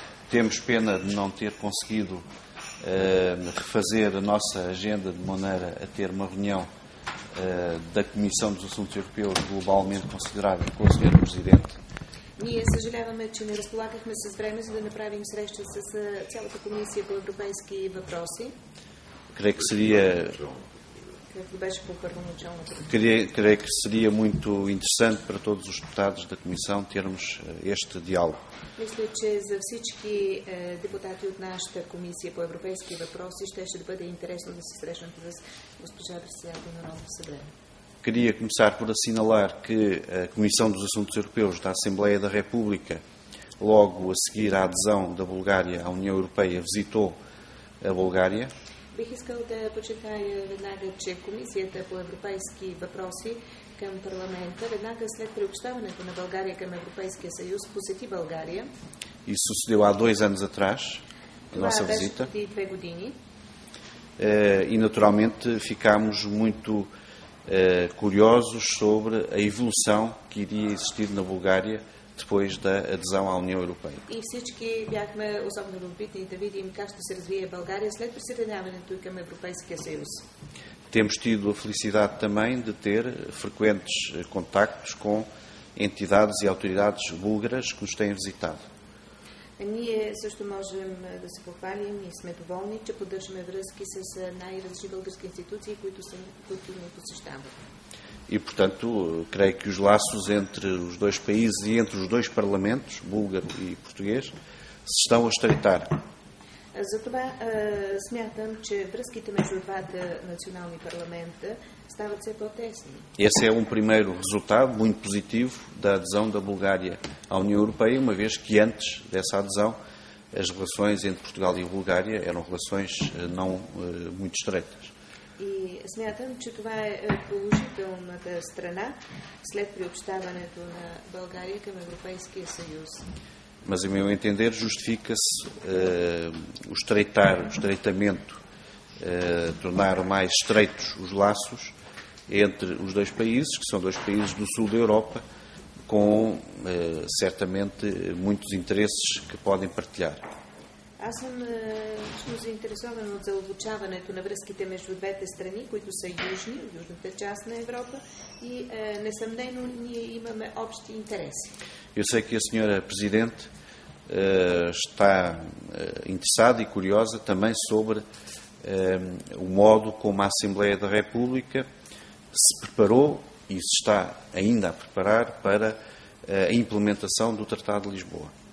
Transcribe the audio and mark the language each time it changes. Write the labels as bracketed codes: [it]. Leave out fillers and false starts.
[pt] Temos pena de não ter conseguido refazer a nossa agenda de maneira a ter uma reunião da Comissão dos Assuntos Europeus globalmente considerada com o Sr. Presidente. [bg] Ние съжаляваме, че не разполагахме с време, за да направим среща с цялата комисия по европейски въпроси. [pt] Creio que seria muito interessante para todos os deputados da Comissão termos este diálogo. [bg] Мисля, че за всички депутати от нашата комисия по европейски въпроси ще бъде интересно да се срещнем с госпожа председател на Народното събрание. [pt] Queria começar por assinalar que a Comissão dos Assuntos Europeus da Assembleia da República, logo a seguir à adesão da Bulgária à União Europeia, visitou a Bulgária. [bg] Бих искал да почитая веднага, че Комисията по европейски въпроси към парламента, веднага след приобщаването на България към Европейския съюз, посети България. [pt] Isso sucedeu há dois anos atrás, a nossa visita. [bg] Това беше две години. [pt] E, naturalmente, ficámos muito curiosos sobre a evolução que iria existir na Bulgária depois da adesão à União Europeia. [bg] E всички бяхме особено любопитни да видим как ще се развие България след присъединяването към Европейския съюз. [pt] Temos tido a felicidade também de ter frequentes contactos com entidades e autoridades búlgaras que nos têm visitado. [bg] Ние също можем да се похвалим и сме доволни, че поддържаме връзки с най-различни български институции, които ни посещават. [pt] И, portanto, creio que os laços entre os dois países e entre os dois parlamentos, búlgaro и português, se estão a estreitar. [bg] Затова смятам, че връзките между двата национални парламента стават все по-тесни. [pt] Esse é um primeiro resultado muito positivo da adesão da Bulgária à União Europeia, uma vez que antes dessa adesão as relações entre Portugal e Bulgária eram relações não muito estreitas. [bg] И смятам, че това е положителната страна след приобщаването на България към Европейския съюз. [pt] Mas, a meu entender, justifica-se o estreitamento, tornar mais estreitos os laços entre os dois países, que são dois países do sul da Europa, com, certamente, muitos interesses que podem partilhar. [bg] Аз съм много заинтересован от задълбочаването на връзките между двете страни, които са южни, в южната част на Европа, и несъмнено ние имаме общи интереси. [pt] Eu sei que a senhora Presidente está interessada e curiosa também sobre o modo como a Assembleia da República se preparou e se está ainda a preparar para a implementação do Tratado de Lisboa.